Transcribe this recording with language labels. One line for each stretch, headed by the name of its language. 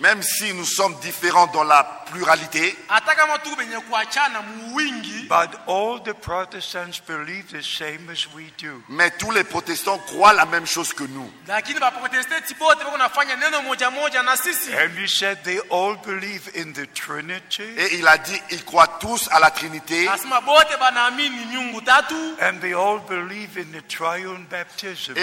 French: Même si nous sommes différents dans la pluralité.
English: But all the Protestants believe the same as we do.
French: Mais tous les protestants croient la même chose que nous.
English: And he said they all believe in the Trinity.
French: Et il a dit ils croient tous à la Trinité.
English: And they all believe in the triune baptism.